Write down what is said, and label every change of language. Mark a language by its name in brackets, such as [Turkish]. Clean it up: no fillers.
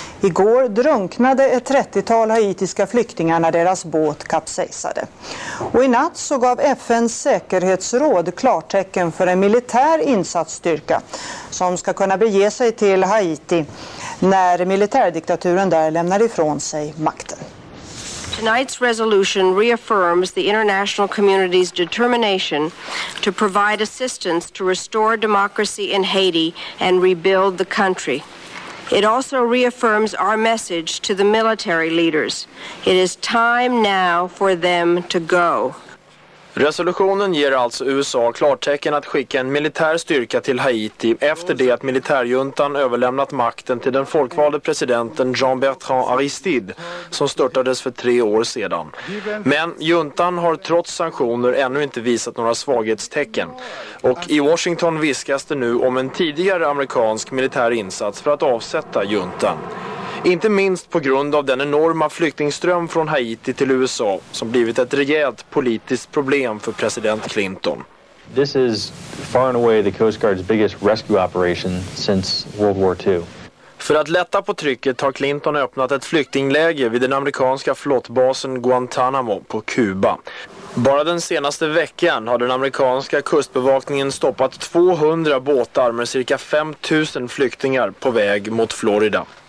[Swedish] Igår drunknade ett 30-tal haitiska flyktingar när deras båt kapsejsade. Och i natt så gav FNs säkerhetsråd klartecken för en militär insatsstyrka som ska kunna bege sig till Haiti när militärdiktaturen där lämnar ifrån sig makten. [English] Tonight's resolution reaffirms the international community's determination to provide assistance to restore democracy in Haiti and rebuild the country. It also reaffirms our message to the military leaders. It is time now for them to go. [Swedish] Resolutionen ger alltså USA klartecken att skicka en militär styrka till Haiti efter det att militärjuntan överlämnat makten till den folkvalde presidenten Jean-Bertrand Aristide som störtades för 3 år sedan. Men juntan har trots sanktioner ännu inte visat några svaghetstecken. Och i Washington viskas det nu om en tidigare amerikansk militär insats för att avsätta juntan. Inte minst på grund av den enorma flyktingström från Haiti till USA som blivit ett rejält politiskt problem för president Clinton. [English] This is far and away the Coast Guard's biggest rescue operation since World War II. [Swedish] För att lätta på trycket har Clinton öppnat ett flyktingläge vid den amerikanska flottbasen Guantanamo på Kuba. Bara den senaste veckan har den amerikanska kustbevakningen stoppat 200 båtar med cirka 5000 flyktingar på väg mot Florida.